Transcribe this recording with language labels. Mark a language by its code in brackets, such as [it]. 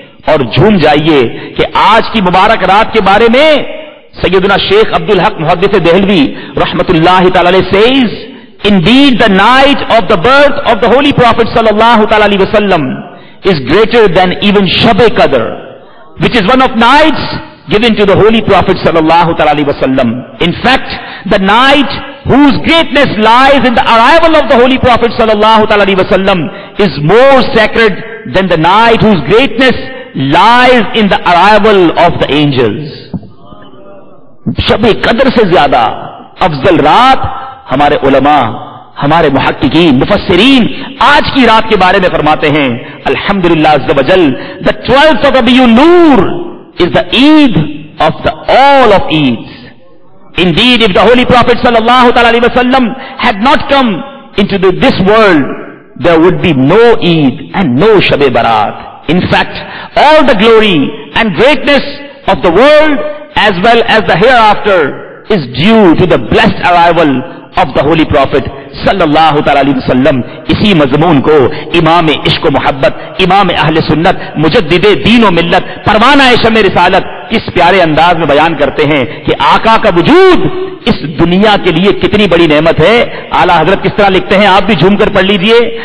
[ur] اور جھوم جائیے کہ آج کی مبارک رات کے بارے میں سیدنا شیخ عبدالحق محدث دہلوی رحمت اللہ تعالی علیہ Cs, [en] Indeed the night of the birth of the Holy Prophet sallallahu alaihi wasallam is greater than even Shab-e-Qadr, which is one of nights given to the Holy Prophet sallallahu alaihi wasallam. In fact, the night whose greatness lies in the arrival of the Holy Prophet sallallahu alaihi wasallam is more sacred than the night whose greatness lies in the arrival of the angels. [ur] Shab-e-Qadr se zyada afzal raat ہمارے علماء، ہمارے محققین، مفسرین آج کی رات کے بارے میں فرماتے ہیں، الحمدللہ عز و جل، [en] the 12th of Rabi Noor is the Eid of the all of Eids. Indeed, if the Holy Prophet sallallahu alaihi wasallam had not come into this world, there would be no Eid and no Shab-e-Barat. In fact, all the glory and greatness of the world as well as the hereafter is due to the blessed arrival of the Holy Prophet sallallahu alaihi wasallam. [ur] اسی مضمون کو امام عشق و محبت، امام اہل سنت، مجدد دین و ملت، پروانہ شمع رسالت اس پیارے انداز میں بیان کرتے ہیں کہ آقا کا وجود اس دنیا کے لیے کتنی بڑی نعمت ہے۔ اعلیٰ حضرت کس طرح لکھتے ہیں، آپ بھی جھوم کر پڑھ لیجئے۔